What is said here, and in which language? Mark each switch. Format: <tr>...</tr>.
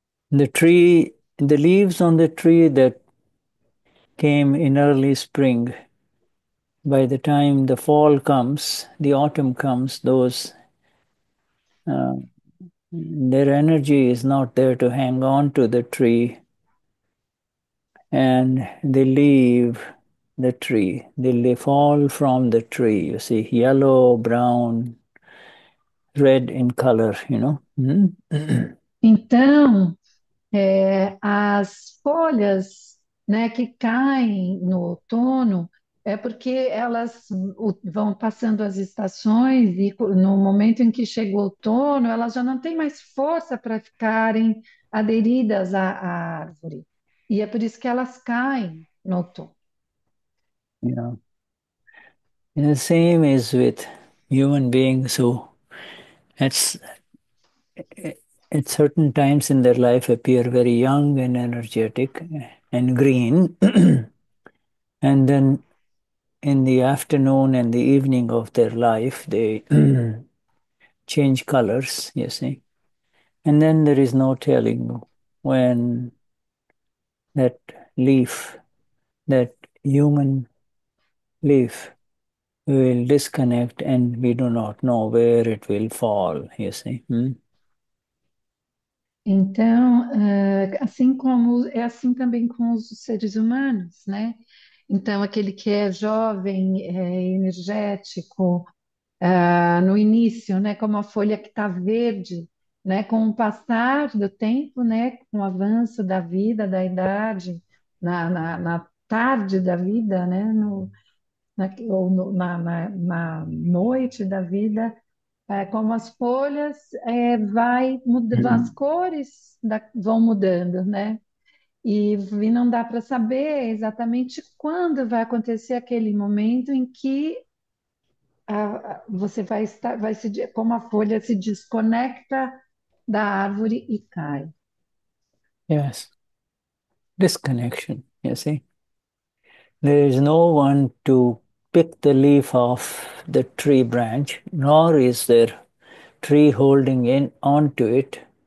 <en>The tree, the leaves on the tree that came in early spring, by the time the fall comes, the autumn comes, those their energy is not there to hang on to the tree, and they leave the tree. They fall from the tree, you see, yellow, brown, red in color,</en> <pt>Então, as folhas, né, que caem no outono é porque elas vão passando as estações e no momento em que chega o outono, elas já não têm mais força para ficarem aderidas à árvore. E é por isso que elas caem no outono.</pt> <en>And the same is with human beings who at certain times in their life appear very young and energetic and green. And then in the afternoon and the evening of their life, they change colors, you see. And then there is no telling when that leaf, that human leaf will disconnect, and we do not know where it will fall, you see.</en> <pt>Então, assim como é assim também com os seres humanos, né? Então, aquele que é jovem, energético, no início, né? Como a folha que está verde, né? Com o passar do tempo, né? Com o avanço da vida, da idade, na tarde da vida, né? No, na, ou no, na noite da vida. É como as folhas vai as cores vão mudando, né? E não dá para saber exatamente quando vai acontecer aquele momento em que você vai estar, vai se, como a folha se desconecta da árvore e cai.</pt> <en>Yes, disconnection, you see. There is no one to pick the leaf off the tree branch, nor is there tree holding in onto it.</en>